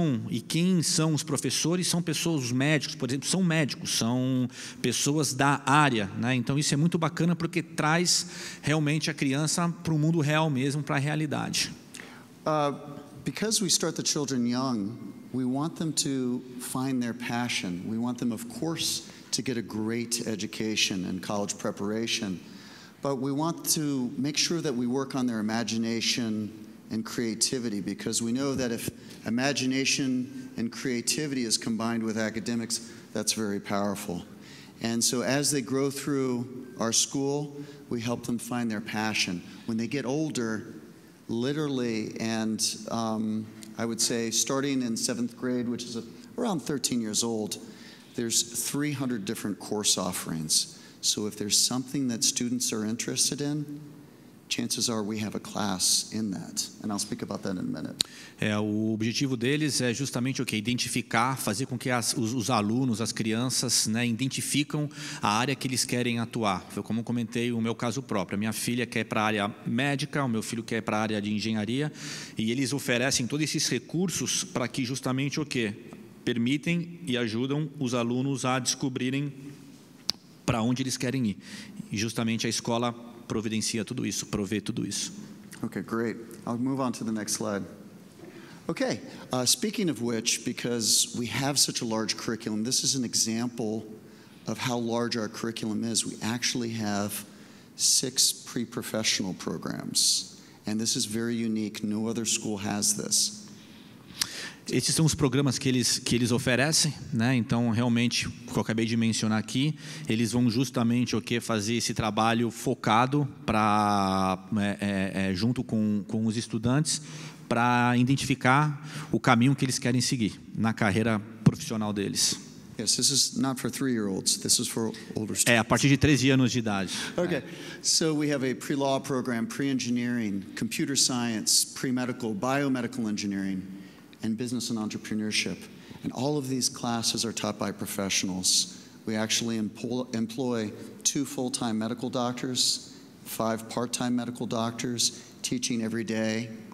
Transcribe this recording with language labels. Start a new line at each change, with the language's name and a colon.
Portuguese: E quem são os professores? São pessoas, os médicos, por exemplo, são médicos, são pessoas da área, né? Então isso é muito bacana porque traz realmente a criança para o mundo real mesmo, para a realidade.
English: Because we start the children young, we want them to find their passion. We want them, of course, to get a great education and college preparation, but we want to make sure that we work on their imagination and creativity, because we know that if imagination and creativity is combined with academics, that's very powerful. And so as they grow through our school, we help them find their passion. When they get older, literally, and I would say starting in seventh grade, which is around 13 years old, there's 300 different course offerings. So if there's something that students are interested in, chances are we have a class in that. And I'll speak about that in a minute.
Portuguese: O objetivo deles é justamente o quê? Identificar, fazer com que os alunos, as crianças, né, identificam a área que eles querem atuar. Foi como eu comentei o meu caso próprio. A minha filha quer ir para a área médica, o meu filho quer ir para a área de engenharia, e eles oferecem todos esses recursos para que justamente o quê? Permitem e ajudam os alunos a descobrirem para onde eles querem ir. E justamente a escola providencia tudo isso, provê tudo isso.
English: Okay, great. I'll move on to the next slide. Okay, speaking of which, because we have such a large curriculum, this is an example of how large our curriculum is, we actually have 6 pre-professional programs. And this is very unique. No other school has this.
Portuguese: Esses são os programas que eles oferecem, né? Então, realmente, o que eu acabei de mencionar aqui, eles vão justamente fazer esse trabalho focado para junto com os estudantes para identificar o caminho que eles querem seguir na carreira profissional deles.
English: Yes, this is not for 3-year-olds. This is for older students.
Portuguese: A partir de 13 anos de idade. Okay. Né?
English: So we have a pre-law program, pre-engineering, computer science, pre-medical, biomedical engineering, and business and entrepreneurship. And all of these classes are taught by professionals. We actually employ 2 full-time medical doctors, 5 part-time medical doctors teaching every day.